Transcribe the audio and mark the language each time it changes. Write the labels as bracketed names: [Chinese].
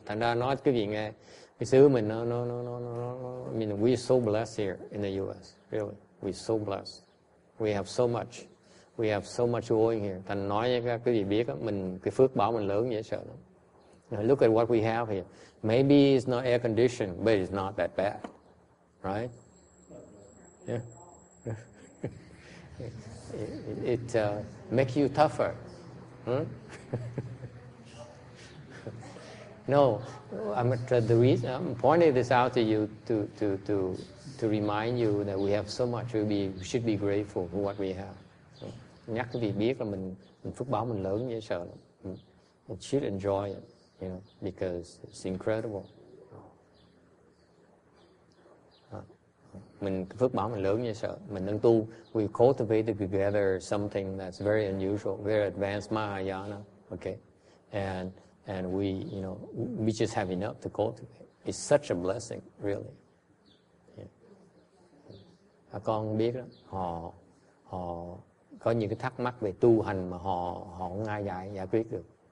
[Vietnamese] Thành ra nói cái gì nghe, cái xứ mình nó. [English] I mean, we're so blessed here in the U.S. Really, we're so blessed. We have so much going here. [Vietnamese] Thành nói với các quý vị biết, mình cái phước báo mình lớn dễ sợ lắm. [English] Now look at what we have here. Maybe it's not air conditioned, but it's not that bad, right? Yeah. It make you tougher. No, I'm pointing this out to you to remind you that we have so much. We should be grateful for what we have. [Vietnamese] Nhắc cái việc biết là mình phước báo mình lớn như sợ. [English] We should enjoy it, you know, because it's incredible. [Vietnamese] Mình phước báo mình lớn như sợ. Mình đang tu. [English] We cultivated together something that's very unusual, very advanced Mahayana. Okay, and we, you know, we just have enough to cultivate. It's such a blessing, really. Yeah. [Vietnamese] À, con biết đó, họ có những cái thắc mắc về tu hành mà họ không ai giải quyết được.